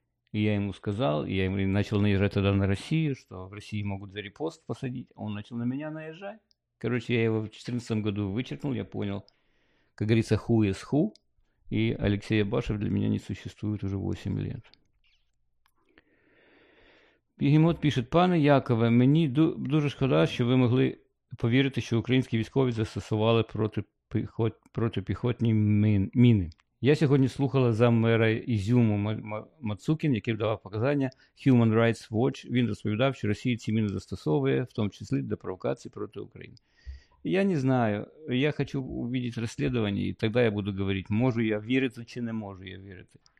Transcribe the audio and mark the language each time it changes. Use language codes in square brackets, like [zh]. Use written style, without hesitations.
[ru] И я ему сказал, и я ему начал наезжать тогда на Россию, что в России могут за репост посадить. Он начал на меня наезжать. Короче, я его в 2014 году вычеркнул, я понял, как говорится, [en] who is who. [ru] И Алексей Абашев для меня не существует уже 8 лет. [uk] Бегемот пишет, пане Якове, мені дуже шкода, що ви могли повірити, що українські військові застосували протипіхотні міни. Я сьогодні слухала заммера Ізюму Мацукін, який давав показання Human Rights Watch. Він розповідав, що Росія ці міни застосовує, в тому числі для провокації проти України. [ru] Я не знаю, я хочу побачити розслідування, і тоді я буду говорити, можу я вірити чи не можу я вірити.